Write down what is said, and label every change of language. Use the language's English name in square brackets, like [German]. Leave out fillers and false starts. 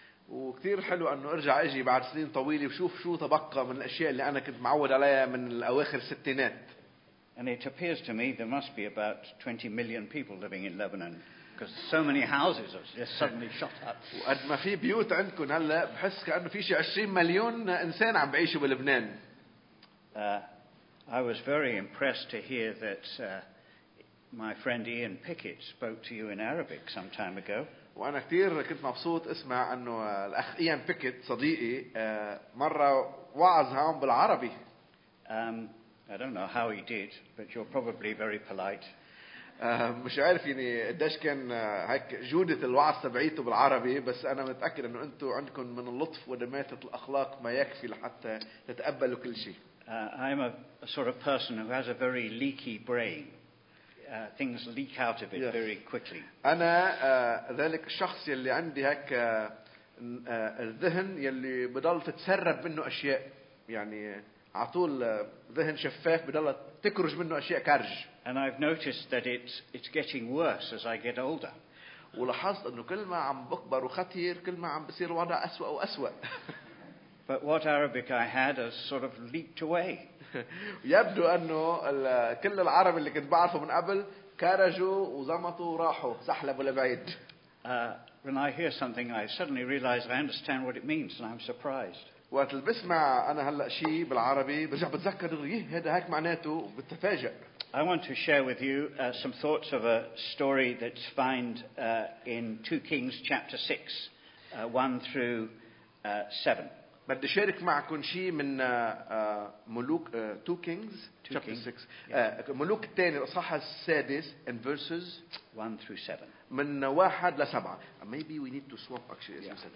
[Arabic] وكثير حلو انه ارجع اجي بعد سنين طويله وشوف شو تبقى من الاشياء اللي انا كنت معود عليها من الاواخر الستينات. [English] And it appears to me there must be about 20 million people living in Lebanon because so many houses have just suddenly shot up. [Arabic] وقد ما في بيوت عندكم هلا بحس كانه في شيء 20 مليون انسان عم بعيشوا بلبنان. [English] I was very impressed to hear that my friend Ian Pickett spoke to you in Arabic some time ago. [Arabic] وأنا كثير كنت مبسوط أسمع أنه الأخ إيان بيكيت صديقي مرة وعظ هون بالعربي. [English] I don't know how he did, but you're probably very polite. [Arabic] مش عارف يعني قديش كان هيك جودة الوعظ تبعيته بالعربي، بس أنا متأكد أنه أنتوا عندكم من اللطف ودماثة الأخلاق ما يكفي لحتى تتقبلوا كل شيء. [English] I'm a sort of person who has a very leaky brain. Things leak out of it yes. very quickly. [Arabic] أنا ذلك الشخص يلي عندي هيك الذهن يلي بضل تتسرب منه أشياء يعني على طول ذهن شفاف بضل تكرج منه أشياء كرج. [English] And I've noticed that it's getting worse as I get older. [Arabic] ولاحظت إنه كل ما عم بكبر وخطير كل ما عم بصير وضع أسوأ وأسوأ. [English] But what Arabic I had has sort of leaked away. [Arabic] يبدو أنه كل العربي اللي كنت بعرفه من قبل كرجوا وزمطوا وراحوا سحلبوا لبعيد. [English] When I hear something, I suddenly realize I understand what it means, and I'm surprised. [Arabic] وقت بسمع أنا هلا شيء بالعربي برجع بتذكر إيه هذا هيك معناته وبتفاجئ. [English] I want to share with you some thoughts of a story that's found in 2 Kings chapter 6, 1 through 7. [Arabic] بدي شارك معكم شيء من ملوك [English] 2 Kings chapter 6 [Arabic] ملوك الثاني الاصحاح السادس [English] and verses 1 through 7 [Arabic] من 1 ل 7 [English] maybe we need to swap actually yeah.